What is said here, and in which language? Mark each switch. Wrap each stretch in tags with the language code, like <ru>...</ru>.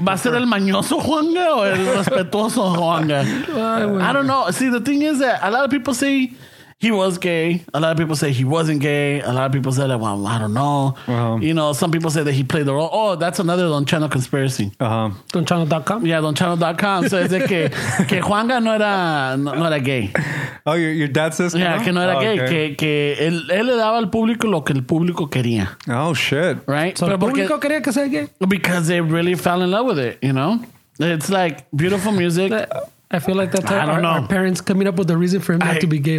<es>¿va a ser el mañoso Juanga o el respetuoso Juanga?</es> <en>I don't know. See, the thing is that a lot of people say he was gay. A lot of people say he wasn't gay. A lot of people say, like, well, I don't know. Uh-huh. You know, some people say that he played the role. Oh, that's another Don Chano conspiracy. Uh-huh. Donchano.com? Yeah, Donchano.com. So it's like</en> <es>que Juanga no era</es> <en>gay. Oh, your dad says</en> <es>yeah, que no era gay. Okay. Que él le daba al público lo que el público quería.</es> <en>Oh, shit. Right?</en> <es>So pero el público porque, quería que sea gay?</es> <en>Because they really fell in love with it, you know? It's like beautiful music. I feel like that's how our parents coming up with the reason for him not to be gay.</en>